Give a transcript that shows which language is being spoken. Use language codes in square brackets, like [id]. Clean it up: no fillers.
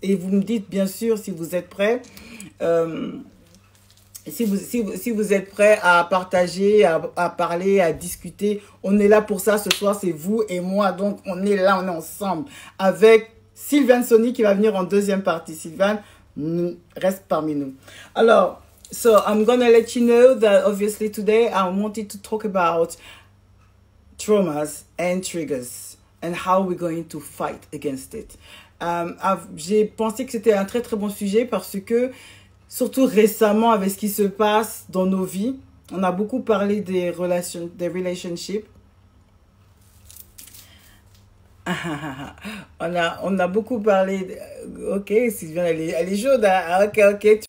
[fr] Et vous me dites, bien sûr, si vous êtes prêts, si vous êtes prêts à partager, à parler, à discuter, on est là pour ça ce soir, c'est vous et moi. Donc, on est là, on est ensemble avec Sylviane Sony qui va venir en deuxième partie. Sylviane, reste parmi nous. [en] Alors, so I'm going to let you know that obviously today I wanted to talk about traumas and triggers and how we're going to fight against it. [fr] J'ai pensé que c'était un très très bon sujet parce que surtout récemment avec ce qui se passe dans nos vies, on a beaucoup parlé des relations, des relationships. on a beaucoup parlé. Ok, Sylviane, elle est jaune. Ok.